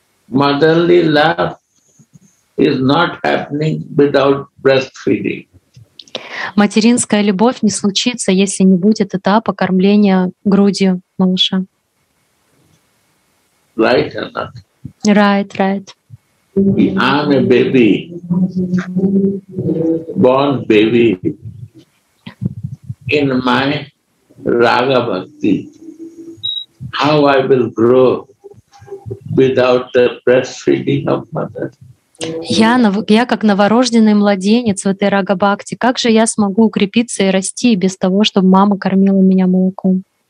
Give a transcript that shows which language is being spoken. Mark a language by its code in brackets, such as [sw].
[en] Motherly love is not happening without breastfeeding. [ru] Материнская любовь не случится, если не будет этапа кормления грудью малыша. [en] Right or not? Right, right. I'm a baby, born baby in my Raga Bhakti. How I will grow without the breastfeeding of mother? [ru] Я как новорожденный младенец в этой Рага Бхакти. Как же я смогу укрепиться и расти без того, чтобы мама кормила меня молоком?